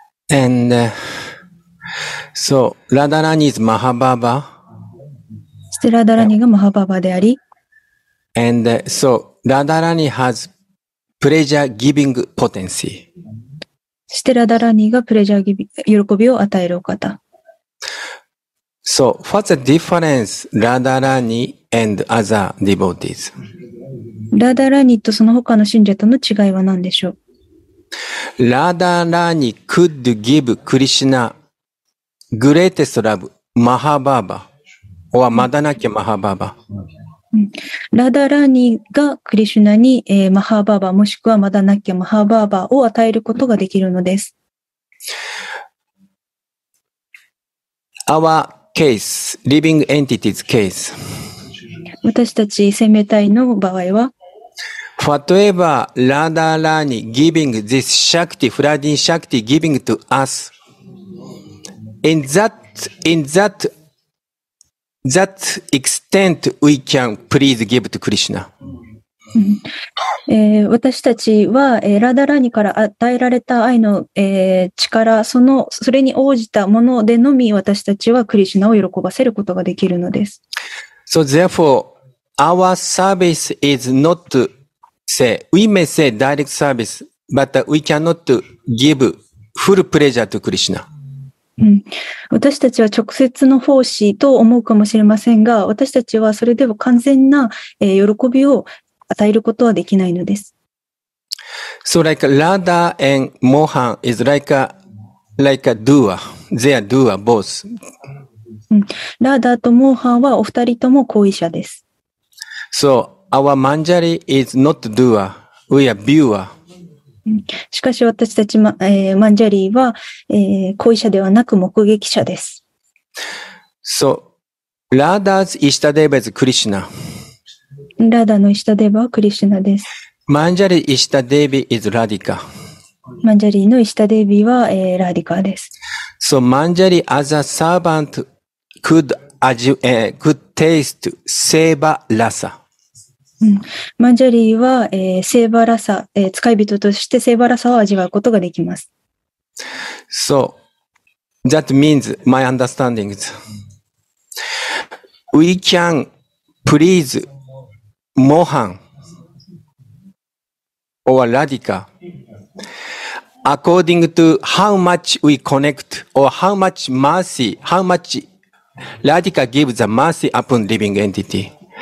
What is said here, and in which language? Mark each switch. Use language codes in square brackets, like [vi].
[en] And、so Radharani is Mahababa. [ja] してラダラニがマハババであり。 [en] And、so Radharani has pleasure giving potency. [ja] してラダラニが [en] プレジャーギビ [ja] 喜びを与えるお方。 [en] So what's the difference Radharani and other devotees? [ja] ラダラニとその他の信者との違いは何でしょう？ [en] ラダラニ could give Krishna greatest love, Mahababa, or Madanakya Mahababa. [ja] ラダラニがクリシュナに、マハババもしくはマダナキャマハババを与えることができるのです。 [en] Our case, living entities case. [ja] 私たち生命体の場合は、 [en] Whatever Radharani giving this Shakti, flooding Shakti giving to us, in that extent we can please give to Krishna. [ja] 私たちは、Radharani から与えられた愛の、力、それに応じたものでのみ私たちは Krishna を喜ばせることができるのです。 [en] So therefore, our service is notSay, we may say direct service, but we cannot give full pleasure to Krishna. [ja] 私たちは直接の奉仕と思うかもしれませんが、私たちはそれでも完全な喜びを与えることはできないのです。 [en] So like Radha and Mohan is like a dua. They are dua, both. [ja] Radha と Mohan はお二人とも行為者です。 [en] So,Our manjari is not doer. We are viewer. [ja] しかし私たち、マンジャリは、行為者ではなく目撃者です。 [en] So, Radha's Ishtadeva is Krishna. [ja] Radha の Ishtadeva はクリシュナです。 [en] マンジャリ Ishtadevi is Radhika. [ja] マンジャリの Ishtadevi は、Radhika です。 [en] So, マンジャリ as a servant could taste seva rasa. [ja] マンジャリーは、セーバラサ、使い人としてセーバラサを味わうことができます。 [en] So, that means my understanding is, we can please Mohan or Radhika according to how much we connect or how much mercy, how much Radhika gives the mercy upon living entity.